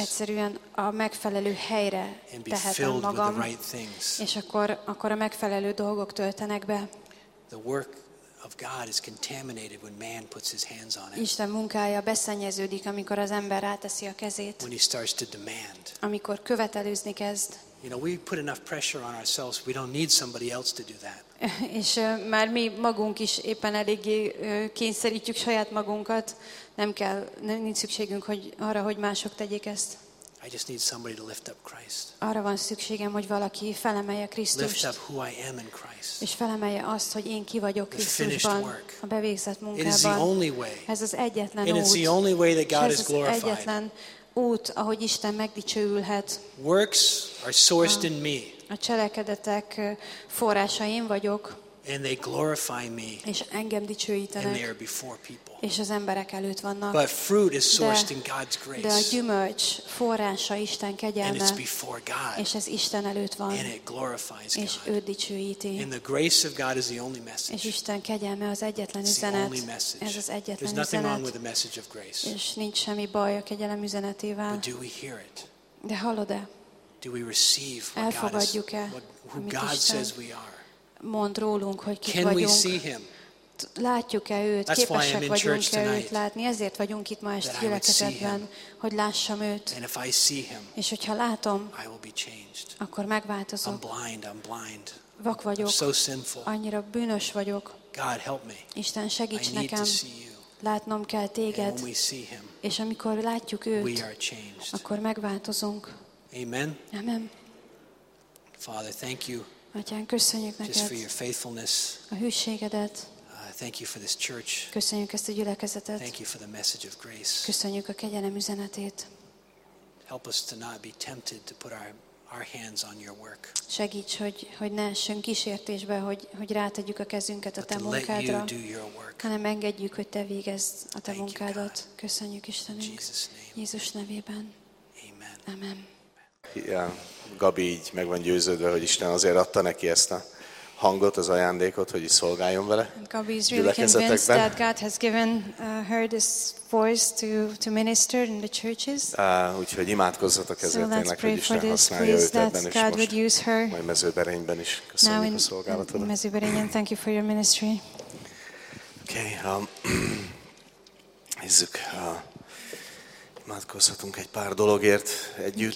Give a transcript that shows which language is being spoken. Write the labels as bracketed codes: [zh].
[hu] Egyszerűen a megfelelő helyre tehetem magam. És akkor a megfelelő dolgok töltenek be. [en] The work of God is contaminated when man puts his hands on it. [hu] Isten munkája beszennyeződik, amikor az ember ráteszi a kezét. [en] When he starts to demand. [hu] Amikor követelőzni kezd. [en] You know, we put enough pressure on ourselves, we don't need somebody else to do that. [hu] És már mi magunk is éppen eléggé kényszerítjük saját magunkat. Nem kell, nincs szükségünk arra, hogy mások tegyék ezt. [en] I just need somebody to lift up Christ. [hu] Arra van szükségem, hogy valaki felemelje Krisztust. [en] Lift up who I am in Christ. [hu] És felemelje azt, hogy én ki vagyok Krisztusban. A bevégzett munkában. [en] It is the only way. [hu] Ez az egyetlen út. [en] And it's the only way that God is glorified. [hu] Ez az egyetlen út, ahogy Isten megdicsőülhet. [en] Works are sourced in me. [hu] A cselekedetek forrása én vagyok. [en] And they glorify me. [hu] És engem dicsőítenek. [en] And they are before people. [hu] És az emberek előtt vannak. [en] But fruit is sourced in God's grace. [hu] De a gyümölcs forrása Isten kegyelme. [en] And it's before God. [hu] És ez Isten előtt van. [en] And it glorifies God. [hu] És őt dicsőíti. [en] And the grace of God is the only message. [hu] És Isten kegyelme az egyetlen üzenet. [en] It's the only message. [hu] Ez az egyetlen üzenet. [en] There's nothing wrong with the message of grace. [hu] És nincs semmi baj a kegyelem üzenetével. [en] But do we hear it? [hu] De hallod-e? [en] Do we receive what God, who God says we are? [hu] Mond rólunk, hogy kik [en] Can [hu] vagyunk. [en] We see him? [hu] Látjuk-e őt? [en] That's [hu] Képesek vagyunk-e őt látni? Ezért vagyunk itt ma este gyülekezetben, hogy lássam őt. [en] And if I see him, [hu] és hogyha látom, [en] I will be changed. [hu] Akkor megváltozok. [en] I'm blind. [hu] Vak vagyok. [en] I'm so sinful. [hu] Annyira bűnös vagyok. [en] God, help me. [hu] Isten, segíts [en] I [hu] nekem. [en] Need to see you. [hu] Látnom kell téged. [en] And when we see him, [hu] és amikor látjuk őt, [en] we are changed. [hu] Akkor megváltozunk. [en] Amen. [hu] Amen. [en] Father, thank you. [hu] Atyán, köszönjük neked. [en] Just for your faithfulness. [hu] A hűségedet. [en] Thank you for this church. [hu] Köszönjük ezt a gyülekezetet. [en] Thank you for the message of grace. [hu] Köszönjük a kegyelem üzenetét. [en] Help us to not be tempted to put our hands on your work. [hu] Segíts, hogy ne essünk kísértésbe, hogy rátegyük a kezünket a te munkádra. [en] But let you do your work. [hu] Hanem engedjük, hogy te végezd a te [en] Thank [hu] munkádat. [en] You, God. [hu] Köszönjük Istenünk. [en] In Jesus name. [hu] Jézus nevében. [en] Amen. [hu] Amen. Yeah, Gabi így meg van győződve, hogy Isten azért adta neki ezt a hangot, az ajándékot, hogy így szolgáljon vele. [en] Gabi is really convinced that God has given her this voice to minister in the churches. [hu] Úgyhogy imádkozzatok ezért, [en] so [hu] tényleg, hogy Isten használja őt ebben, és [en] God [hu] most majd Mezőberényben is. Köszönjük a szolgálatodat. [en] Mezőberényben, thank you for your ministry. [hu] Okay, nézzük. Imádkozhatunk egy pár dologért együtt.